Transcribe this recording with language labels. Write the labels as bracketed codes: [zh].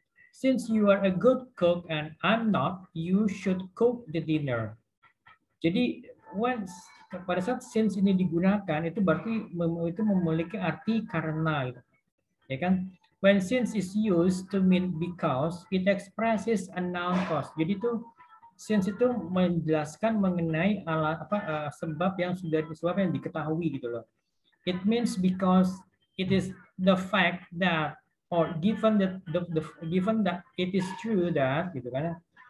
[en] Since you are a good cook and I'm not, you should cook the dinner. [id] Jadi, pada saat since ini digunakan, itu berarti itu memiliki arti karena. Ya kan? [en] When since is used to mean because, it expresses a noun cause. [id] Jadi itu since itu menjelaskan mengenai sebab yang diketahui gitu loh. [en] It means because it is the fact that or given that given that it is true that [id] gitu kan.